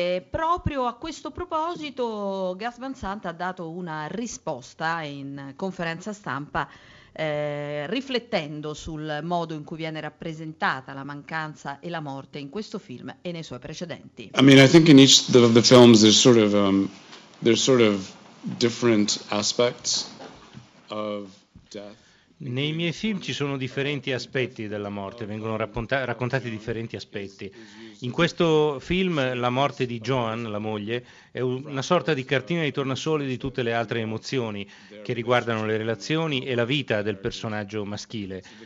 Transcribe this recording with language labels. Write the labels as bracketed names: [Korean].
[Italian] Proprio a questo proposito Gus Van Sant ha dato una risposta in conferenza stampa, riflettendo sul modo in cui viene rappresentata la mancanza e la morte in questo film e nei suoi precedenti. [English] I mean, I think in each of the films there's sort of different aspects of [Italian] Nei miei film ci sono differenti aspetti della morte, vengono raccontati differenti aspetti. In questo film la morte di Joan, la moglie, è una sorta di cartina di tornasole di tutte le altre emozioni che riguardano le relazioni e la vita del personaggio maschile.